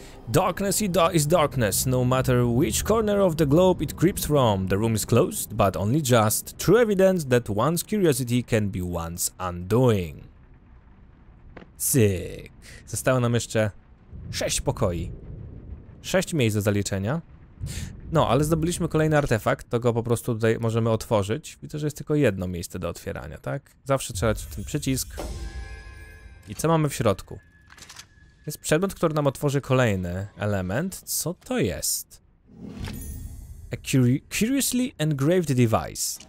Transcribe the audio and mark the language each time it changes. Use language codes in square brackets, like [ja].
[en] Darkness is darkness, no matter which corner of the globe it creeps from. The room is closed, but only just. True evidence that one's curiosity can be one's undoing. [pl] Cyk. Zostało nam jeszcze 6 pokoi. 6 miejsc do zaliczenia. No, ale zdobyliśmy kolejny artefakt, to go po prostu tutaj możemy otworzyć. Widzę, że jest tylko jedno miejsce do otwierania, tak? Zawsze trzeba w ten przycisk. I co mamy w środku? Jest przedmiot, który nam otworzy kolejny element. Co to jest? [en] A curiously engraved device.